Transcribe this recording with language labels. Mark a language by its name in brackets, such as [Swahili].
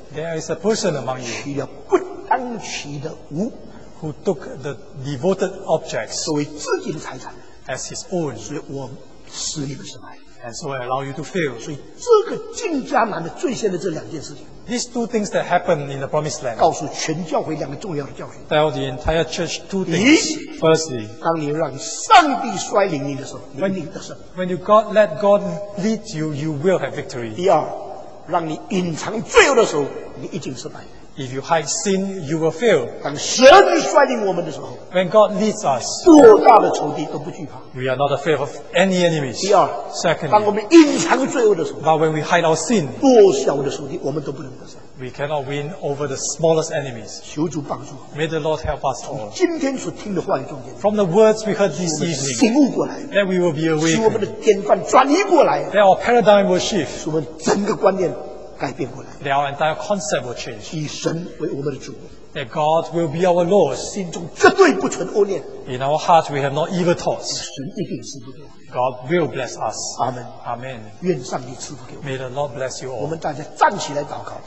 [English] There is a person among you, [Chinese] 取了不当取的物， [English] Who took the devoted objects, [Chinese] 作为自己的财产， [English] As his own, [Chinese] 所以我使你们失败。 [English] And so I allow you to fail. [Chinese] 所以这个进迦南的最先的这两件事情， [English] These two things that happen in the promised land, [Chinese] 告诉全教会两个重要的教训。 [English] Tell the entire church two things. Firstly, [Chinese] 当你让上帝率领你的时候， [English] when, [Chinese] 你的事。 [English] When you God, let God lead you, you will have victory. [Chinese] 第二，让你隐藏罪恶的时候，你已经失败。 [English] If you hide sin, you will fail. [Chinese] 当神率领我们的时候， [English] When God leads us, [Chinese] 多大的仇敌都不惧怕。 [English] We are not afraid of any enemies. [Chinese] 第二， [English] Secondly, [Chinese] 当我们隐藏罪恶的时候， [English] But when we hide our sin, [Chinese] 多小的仇敌我们都不能得胜。 [English] We cannot win over the smallest enemies. [Chinese] 求主帮助。 [English] May the Lord help us all. [Chinese] 今天所听的话语中间， [English] From the words we heard this evening, [Chinese] 醒悟过来， [English] That we will be awakened. [Chinese] 使我们的典范转移过来， [English] That our paradigm will shift. [Chinese] 使我们整个观念改变过来。 [English] Our entire concept will change. [Chinese] 以神为我们的主。 [English] That God will be our Lord. [Chinese] 心中绝对不存恶念。 [English] In our hearts we have no evil thoughts. [Chinese] 神一定赐福给我。 [English] God will bless us. Amen. Amen. [Chinese] 愿上帝赐福给我。 [English] May the Lord bless you all. [Chinese] 我们大家站起来祷告。